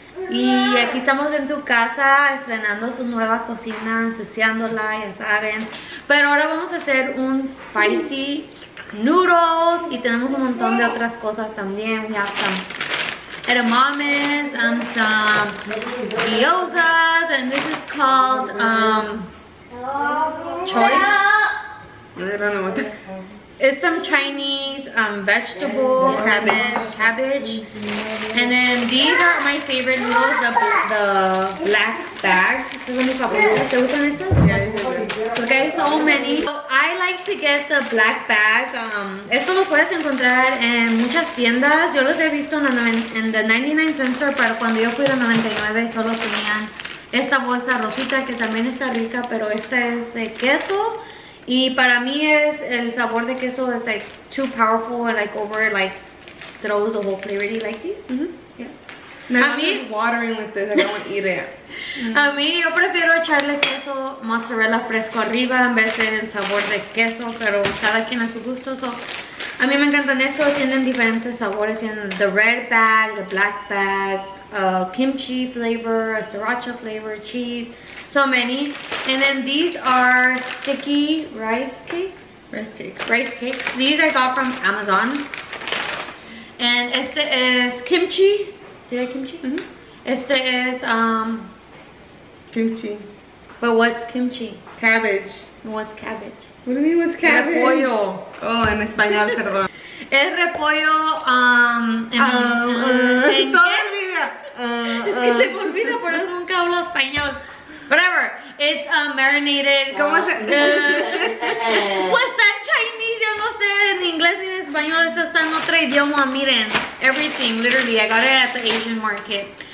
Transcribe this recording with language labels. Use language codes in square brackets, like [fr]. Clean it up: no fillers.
[es] Y aquí estamos en su casa estrenando su nueva cocina, ensuciándola, ya saben. Pero ahora vamos a hacer un spicy noodles y tenemos un montón de otras cosas también. [en] We have some edamames and some gyozas, and this is called choy. It's some Chinese vegetable, cabbage. And then these are my favorite noodles, the black bag. [es] Porque hay [en] so many. So I like to get the black bag. [es] Esto lo puedes encontrar en muchas tiendas. Yo los he visto en [en] the 99 cent store, [es] pero cuando yo fui a 99 solo tenían esta bolsa rosita que también está rica, pero esta es de queso. Y para mí es el sabor de queso [en] es like too powerful and like over like throws the whole flavor. Do you like these? Mm-hmm. Yeah. I'm just watering with this. I don't want to eat it. Mm-hmm. [es] A mí yo prefiero echarle queso mozzarella fresco arriba en vez de el sabor de queso, pero cada quien a su gusto. [en] So, [es] a mí me encantan estos. Tienen diferentes sabores. Tienen [en] the red bag, the black bag, kimchi flavor, a sriracha flavor, cheese. So many. And then these are sticky rice cakes. Rice cakes. These I got from Amazon. And [es] este [en] is kimchi. Did I kimchi? Mm-hmm. [es] Este [en] is kimchi. But what's kimchi? Cabbage. What's cabbage? What do you mean what's cabbage? [es] Repollo. Oh, en español, perdón. Es repollo en toda la vida. Es que se me olvida, por eso nunca hablo español. [en] Whatever, it's marinated. [es] ¿Cómo se? Pues está en Chinese, yo no sé en inglés ni en español, eso está en otro idioma, miren. [en] Everything, literally, I got it at the Asian market.